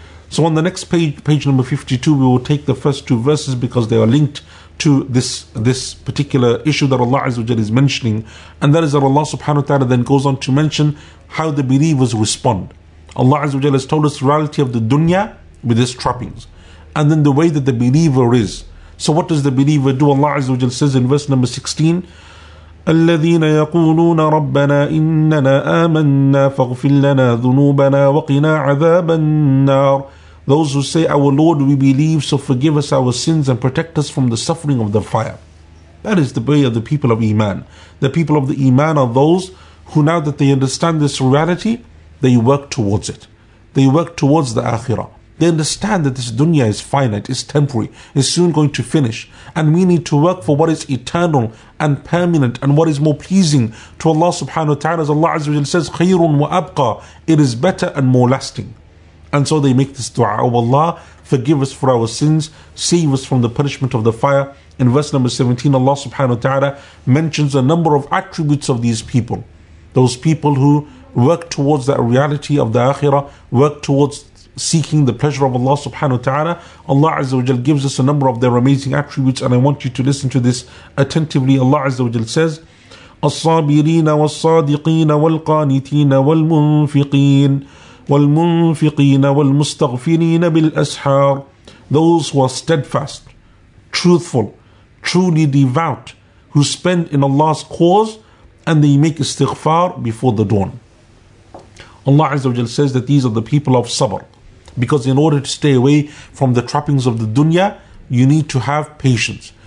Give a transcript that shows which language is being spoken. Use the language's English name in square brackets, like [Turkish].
[English] So on the next page, page number 52, we will take the first two verses because they are linked to this particular issue that Allah Azza wa Jalla is mentioning. And that is that Allah subhanahu wa ta'ala then goes on to mention how the believers respond. Allah Azza wa Jalla has told us the reality of the dunya with its trappings. And then the way that the believer is. So what does the believer do? Allah Azza wa Jalla says in verse number 16, [Arabic] الذين يقولون ربنا إننا آمنا فاغفر لنا ذنوبنا وقنا عذاب النار. [English] Those who say, our Lord, we believe, so forgive us our sins and protect us from the suffering of the fire. That is the prayer of the people of Iman. The people of the Iman are those who, now that they understand this reality, they work towards it. They work towards the Akhirah. They understand that this dunya is finite, is temporary, is soon going to finish. And we need to work for what is eternal and permanent and what is more pleasing to Allah subhanahu wa ta'ala. As Allah azza wa jalla says, [Arabic] خَيْرٌ وَأَبْقَى. [English] It is better and more lasting. And so they make this dua, O Allah, forgive us for our sins, save us from the punishment of the fire. In verse number 17, Allah subhanahu wa ta'ala mentions a number of attributes of these people. Those people who work towards that reality of the Akhirah, work towards seeking the pleasure of Allah subhanahu wa ta'ala. Allah azza wa jal gives us a number of their amazing attributes, and I want you to listen to this attentively. [Arabic] Allah azza wa jal says, الصابرين والصادقين والقانتين والمنفقين والمنفقين والمستغفرين بالأسحار. [English] Those who are steadfast, truthful, truly devout, who spend in Allah's cause, and they make istighfar before the dawn. Allah Azza wa Jal says that these are the people of sabr. Because in order to stay away from the trappings of the dunya, you need to have patience.